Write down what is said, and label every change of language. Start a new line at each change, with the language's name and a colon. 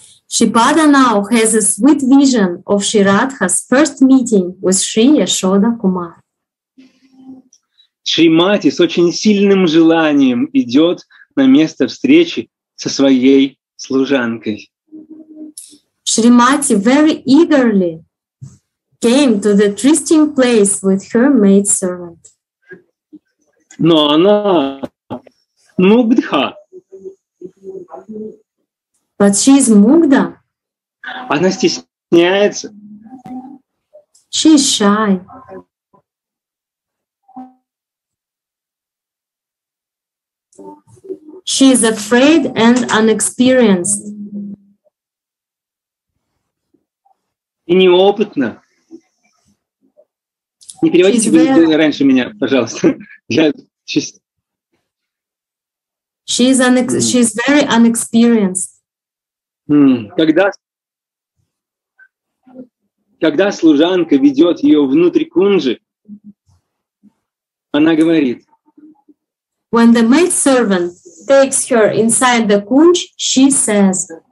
English: Шрипада now has a sweet vision of Shri Radha's first meeting with Shri Yashoda Kumar.
Russian: Шримати с очень сильным желанием идет на место встречи со своей служанкой.
English: Шримати very eagerly came to the trysting place with her maidservant.
Russian: Но она мугдха.
English: But she is mugda.
Russian: Она стесняется.
English: She is shy. She is afraid and unexperienced.
Russian: И неопытна. Не переводите раньше меня, пожалуйста.
English: She is very unexperienced.
Russian: Когда служанка ведет ее внутрь кунджи, она говорит.
English: When the maid servant takes her inside the kunj, she says.